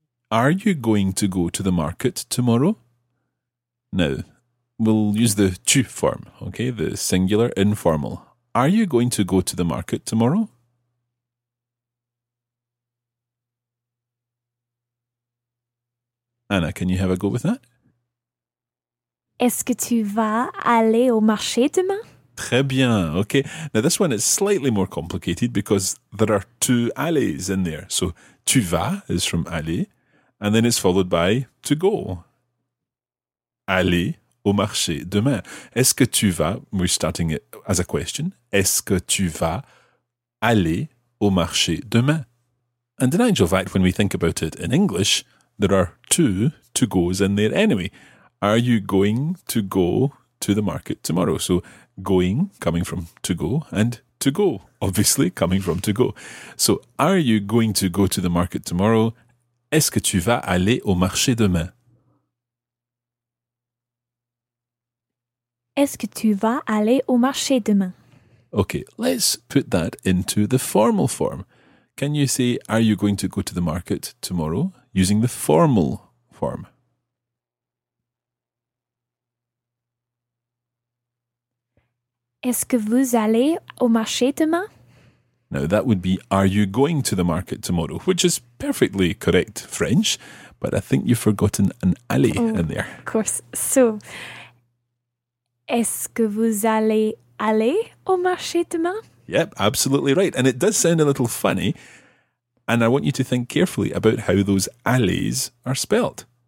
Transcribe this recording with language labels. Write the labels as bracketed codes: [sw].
[en] Are you going to go to the market tomorrow? Now, we'll use the tu form, okay, the singular informal. Are you going to go to the market tomorrow? Anna, can you have a go with that? [fr] Est-ce que tu vas aller au marché demain? Très bien, ok. [en] Now this one is slightly more complicated because there are two allées in there. So, [fr] tu vas [en] is from aller, and then it's followed by to go. [fr] Aller au marché demain. Est-ce que tu vas, [en] we're starting it as a question, [fr] est-ce que tu vas aller au marché demain? [en] And in actual fact, when we think about it in English, there are two to goes in there anyway. Are you going to go to the market tomorrow? So going, coming from to go, and to go, obviously coming from to go. So are you going to go to the market tomorrow? [fr] Est-ce que tu vas aller au marché demain? Est-ce que tu vas aller au marché demain? [en] Okay, let's put that into the formal form. Can you say, are you going to go to the market tomorrow using the formal form? [fr] Est-ce que vous allez au marché demain? [en] Now that would be, are you going to the market tomorrow? Which is perfectly correct French, but I think you've forgotten an aller in there. Of course. [fr] So, est-ce que vous allez aller au marché demain? [en] Yep, absolutely right. And it does sound a little funny, and I want you to think carefully about how those allées are spelt.